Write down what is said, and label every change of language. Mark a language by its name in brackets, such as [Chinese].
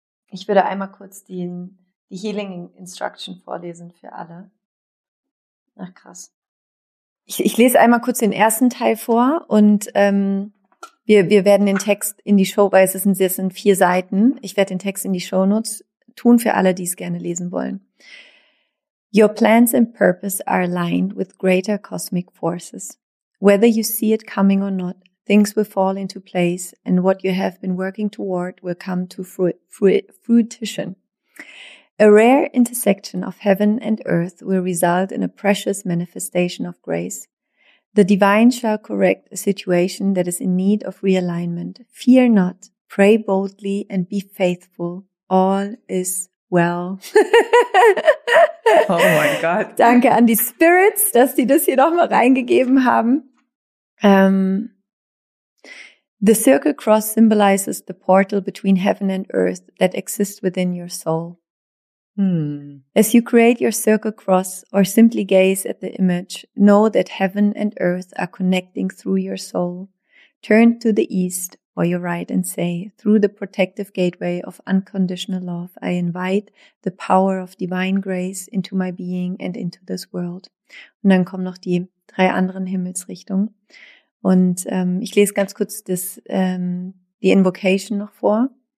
[German] Ich würde einmal kurz die Healing Instruction vorlesen für alle. Ach krass. Ich lese einmal kurz den ersten Teil vor und wir werden den Text in die Show, weil es sind 4 Seiten. Ich werde den Text in die Shownotes tun für alle, die es gerne lesen wollen. [English] Your plans and purpose are aligned with greater cosmic forces. Whether you see it coming or not, things will fall into place and what you have been working toward will come to fruition. A rare intersection of heaven and earth will result in a precious manifestation of grace. The divine shall correct a situation that is in need of realignment. Fear not, pray boldly and be faithful. All is well. [German] Oh mein Gott. Danke an die Spirits, dass die das hier nochmal reingegeben haben. [English] The circle cross symbolizes the portal between heaven and earth that exists within your soul. As you create your circle cross or simply gaze at the image, know that heaven and earth are connecting through your soul. Turn to the east or your right and say, through the protective gateway of unconditional love, I invite the power of divine grace into my being and into this world. [German] Und dann kommen noch die 3 anderen Himmelsrichtungen. Und ich lese ganz kurz die Invocation noch vor.